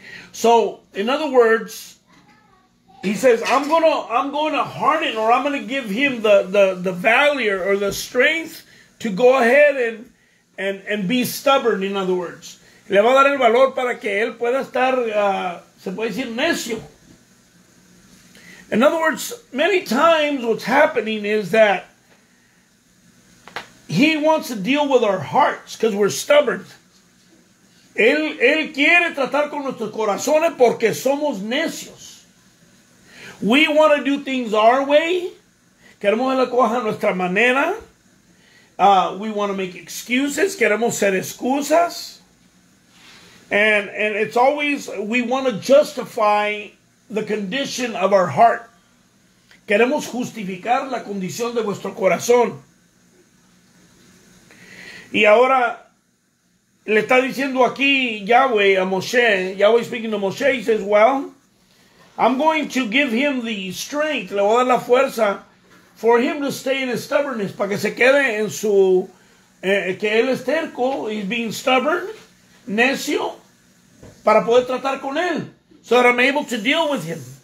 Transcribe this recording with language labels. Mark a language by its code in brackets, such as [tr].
[en] So, in other words, he says, I'm going to harden, or I'm going to give him the valor or the strength to go ahead and be stubborn, in other words. [es] Le va a dar el valor para que él pueda estar, se puede decir, necio. [en] In other words, many times what's happening is that he wants to deal with our hearts because we're stubborn. [es] Él quiere tratar con nuestros corazones porque somos necios. [en] We want to do things our way. [es] Queremos la cosa a nuestra manera. [en] We want to make excuses. [es] Queremos ser excusas. [en] And it's always, we want to justify the condition of our heart. [es] Queremos justificar la condición de nuestro corazón. Y ahora le está diciendo aquí Yahweh a Moshe. [en] Yahweh speaking to Moshe. He says, well, I'm going to give him the strength, [es] le voy a dar la fuerza, [en] for him to stay in his stubbornness, [es] para que se quede en su, que él es terco, [en] he's being stubborn, [es] necio, para poder tratar con él, [en] so that I'm able to deal with him.